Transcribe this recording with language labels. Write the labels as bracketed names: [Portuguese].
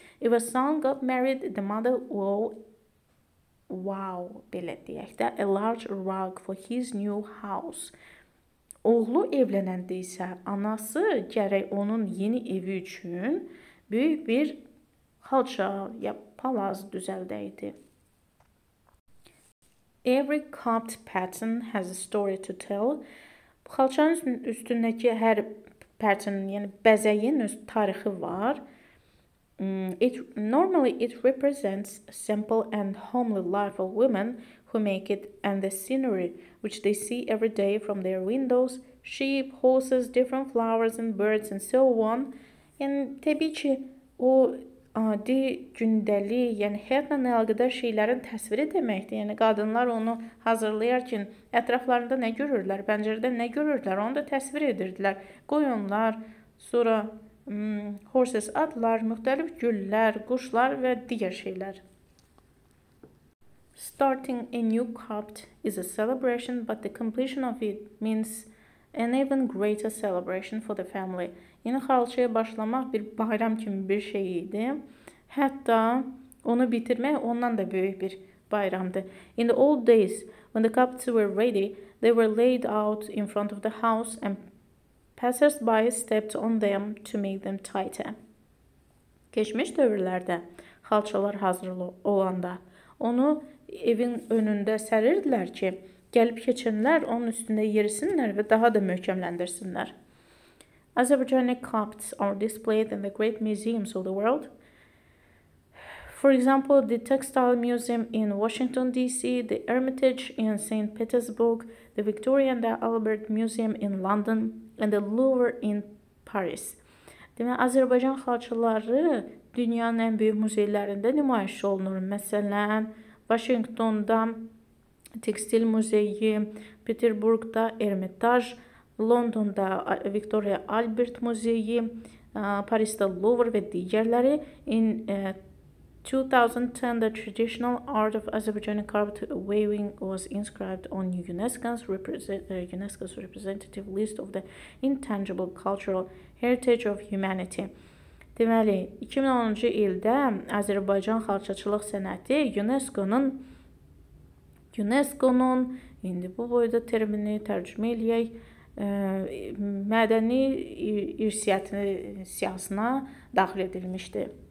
[English] If a son got married, the mother wow, [Azerbaijani] belə deyək də, [English] a large rug for his new house. [Azerbaijani] Oğlu evlənəndə isə anası gərək onun yeni evi üçün böyük bir xalça ya palaz düzəldəydi. [English] Every carpet pattern has a story to tell. [Azerbaijani] Bu xalçanın üstündəki hər pattern, yəni bəzəyin öz tarixi var. [English] Normally it represents simple and homely life of women who make it and the scenery which they see every day from their windows, sheep, horses, different flowers and birds and so on. [Azerbaijani] Yəni təbii ki, o adi, gündəli, yəni həyatla əlaqədar şeylərin təsviri deməkdir. Yəni qadınlar onu hazırlayarkən ətraflarında nə görürlər, pəncərədə nə görürlər, onu da təsvir edirdilər. Qoyunlar, sonra horses, atlar, müxtəlif güllər, quşlar və digər şeylər. [English] Starting a new carpet is a celebration, but the completion of it means an even greater celebration for the family. [Azerbaijani] Yeni xalçaya başlamaq bir bayram kimi bir şey idi. Hətta onu bitirmək ondan da böyük bir bayramdı. [English] In the old days, when the carpets were ready, they were laid out in front of the house and passers-by stepped on them to make them tighter. [Azerbaijani] Keçmiş dövrlərdə xalçalar hazır olanda onu evin önündə sərirdilər ki, gəlib keçənlər onun üstündə yerisinlər və daha da möhkəmləndirsinlər. [English] Azerbaijanic carpets are displayed in the great museums of the world. For example, the Textile Museum in Washington, D.C., the Hermitage in St. Petersburg, the Victoria and the Albert Museum in London, and the Louvre in Paris. [Azerbaijani] Demək, Azərbaycan xalçaları dünyanın ən böyük muzeylərində nümayiş olunur. Məsələn, Washingtonda Tekstil Muzeyi, Peterburgda Hermitage, Londonda Victoria Albert Muzeyi, [Turkish] Paris'te Louvre ve diğerleri. [English] In 2010, the traditional art of Azerbaijani carpet weaving was inscribed on UNESCO's representative list of the intangible cultural heritage of humanity. [Azerbaijani] Deməli, 2010-cu ildə Azərbaycan xalçaçılıq sənəti UNESCO'nun indi bu boyda termini tərcümə eləyək, mədəni irsiyyətini siyasına daxil edilmişdi.